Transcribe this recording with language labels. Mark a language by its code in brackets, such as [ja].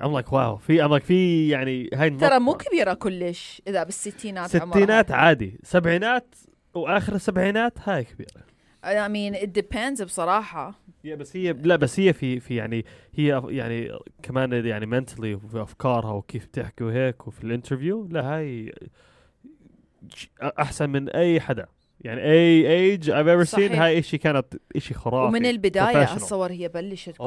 [en] I'm like wow في I'm like [ar] في يعني هاي ترى مو كبيره كلش اذا بالستينات ستينات عادي سبعينات واخر السبعينات هاي كبيره [en] I mean it depends [ar] بصراحه هي بس هي لا بس هي في في يعني هي يعني كمان يعني mentally في افكارها وكيف تحكي وهيك وفي الانترفيو لا هاي احسن من اي حدا يعني [en] اي ايج I ever seen [ar] هاي شيء كانت شيء خرافي ومن البدايه اتصور هي بلشت كل شيء